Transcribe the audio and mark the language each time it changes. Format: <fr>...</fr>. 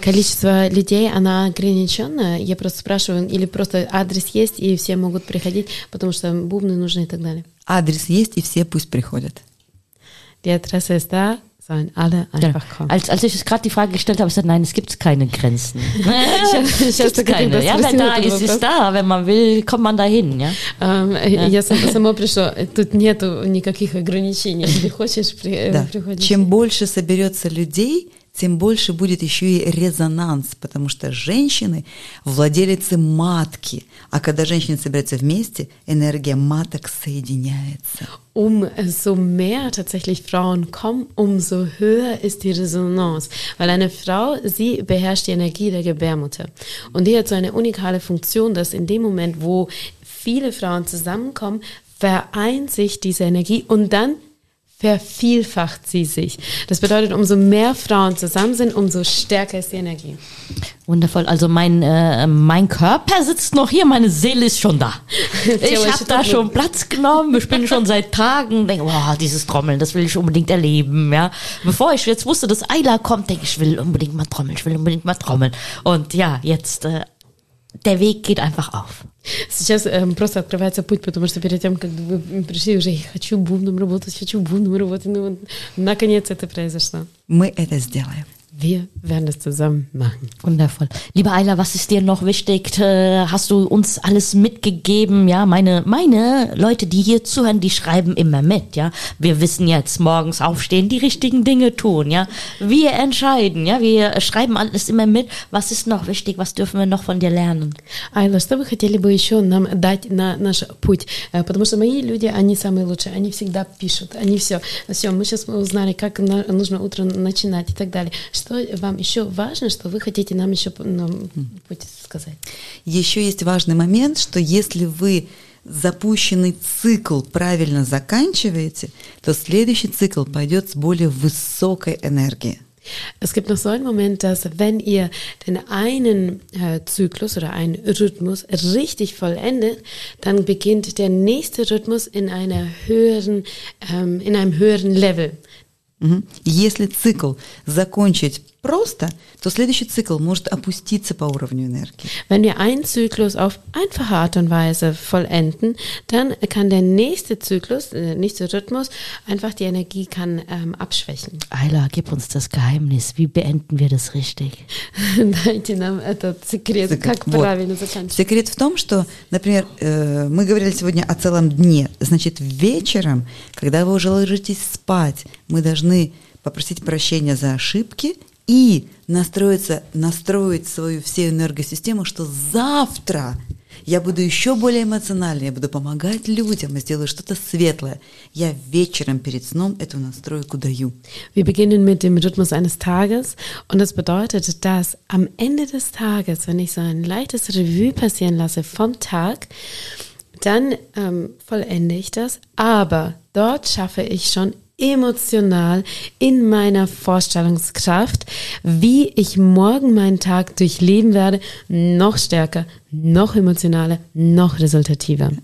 <ru>Количество людей, она ограничена. Я просто спрашиваю, или просто адрес есть, и все могут приходить, потому что бубны нужны и так далее. Адрес есть, и все пусть приходят.</ru> <de>Die Adresse ist da. Sollen alle einfach kommen. Als ich gerade die Frage gestellt habe, ich sagte, nein, es gibt keine Grenzen. wenn man will, kommt man dahin. Ja?</de> <ru>Я сама пришла, тут нету никаких ограничений. Если хочешь, приходи. Чем больше соберется людей, тем больше будет еще и резонанс, потому что женщины – владелицы матки. А когда женщины собираются вместе, энергия маток соединяется.</ru> <de>Umso mehr tatsächlich Frauen kommen, umso höher ist die Resonanz. Weil eine Frau, sie beherrscht die Energie der Gebärmutter. Und die hat so eine unikale Funktion, dass in dem Moment, wo viele Frauen zusammenkommen, vereint sich diese Energie und dann vervielfacht sie sich. Das bedeutet, umso mehr Frauen zusammen sind, umso stärker ist die Energie. Wundervoll. Also mein Körper sitzt noch hier, meine Seele ist schon da. Ich habe da schon Platz genommen. Ich bin schon seit Tagen, denke, wow, dieses Trommeln, das will ich unbedingt erleben. Ja, bevor ich jetzt wusste, dass Ayla kommt, denke ich, ich will unbedingt mal trommeln. Und ja, jetzt der Weg geht einfach auf.</de> <ru>Сейчас просто открывается путь, потому что перед тем, как вы пришли, уже хочу бубном работать, ну, наконец это произошло. Мы это сделаем.</ru> <de>Wir werden das zusammen machen. Wundervoll. Liebe Ayla, was ist dir noch wichtig? Hast du uns alles mitgegeben? Ja, meine Leute, die hier zuhören, die schreiben immer mit. Ja, wir wissen jetzt, morgens aufstehen, die richtigen Dinge tun. Ja, wir entscheiden. Ja, wir schreiben alles immer mit. Was ist noch wichtig? Was dürfen wir noch von dir lernen?</de> <ru>Ayla, что вы хотели бы еще нам дать на наш путь? Потому что мои люди, они самые лучшие. Они всегда пишут. Они все. Мы сейчас узнали, как нужно утро начинать и так далее. Что вам еще важно, что вы хотите нам еще будете сказать? Еще есть важный момент, что если вы запущенный цикл правильно заканчиваете, то следующий цикл пойдет с более высокой энергией.</ru> <de>Es gibt noch so einen Moment, dass wenn ihr den einen Zyklus oder einen Rhythmus richtig vollendet, dann beginnt der nächste Rhythmus in einem höheren Level.</de> <ru>Если цикл закончить просто, то следующий цикл может опуститься по уровню энергии.</ru> <de>Wenn wir einen Zyklus auf einfache Art und Weise vollenden, dann kann der nächste Zyklus, der nächste Rhythmus, einfach die Energie kann abschwächen. Ayla, gib uns das Geheimnis. Wie beenden wir das richtig?</de> <ru>Дайте нам этот секрет, как правильно заканчивать. Секрет в том, что, например, мы говорили сегодня о целом дне. Значит, вечером, когда вы уже ложитесь спать, мы должны попросить прощения за ошибки и настроить свою всю энергосистему, что завтра я буду еще более эмоциональной, я буду помогать людям и сделаю что-то светлое. Я вечером перед сном эту настройку даю.</ru> <de>Wir beginnen mit dem Rhythmus eines Tages und das bedeutet, dass am Ende des Tages, wenn ich so ein leichtes Revue passieren lasse vom Tag, dann vollende ich das, aber dort schaffe ich schon emotional in meiner Vorstellungskraft, wie ich morgen meinen Tag durchleben werde, noch stärker, noch emotionaler, noch resultativer.</de>